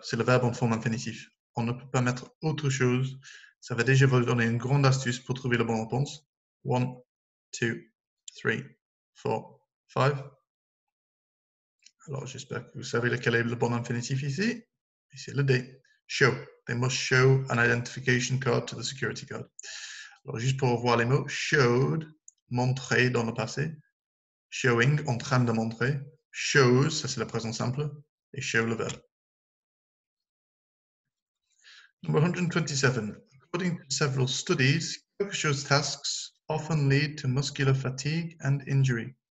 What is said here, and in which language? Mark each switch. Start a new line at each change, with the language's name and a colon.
French: C'est le verbe en forme infinitive. On ne peut pas mettre autre chose. Ça va déjà vous donner une grande astuce pour trouver la bonne réponse. 1, 2, 3, 4, 5. Alors, j'espère que vous savez lequel est le bon infinitif ici. Et c'est le D. Show.
English: They must show an identification card to the security guard.
French: Alors, juste pour voir les mots, showed, montrer dans le passé, showing, en train de montrer, shows, ça c'est le présent simple, et show le verbe.
English: Number 127. According to several studies,
French: quelque chose
English: tasks often lead to muscular fatigue and injury.